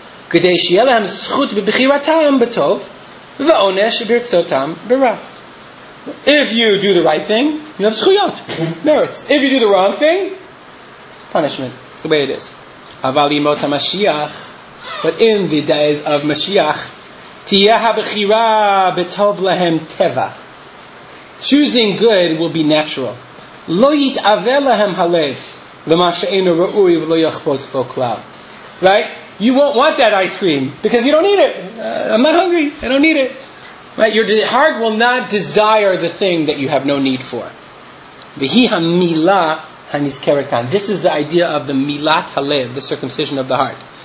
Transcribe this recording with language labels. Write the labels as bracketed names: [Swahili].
[Hebrew] כדי שיהיה להם זכות בבחירתם בטוב ועונש ברצותם ברע. [English] If you do the right thing, you have זכויות, merits. If you do the wrong thing, punishment. It's the way it is. [Hebrew] אבל ימות המשיח, [English] but in the days of Mashiach, [Hebrew] תהיה הבחירה בטוב להם טבע. [English] Choosing good will be natural. [Hebrew] לא יתעבר להם הלב למה שאינו ראוי ולא יחפוץ בו כלל. [English] Right? You won't want that ice cream because you don't need it. I'm not hungry. I don't need it. Right? Your heart will not desire the thing that you have no need for. [Hebrew] V'hi ha-mila ha-nizkerekan. [English] This is the idea of the milat ha-lev, the circumcision of the heart.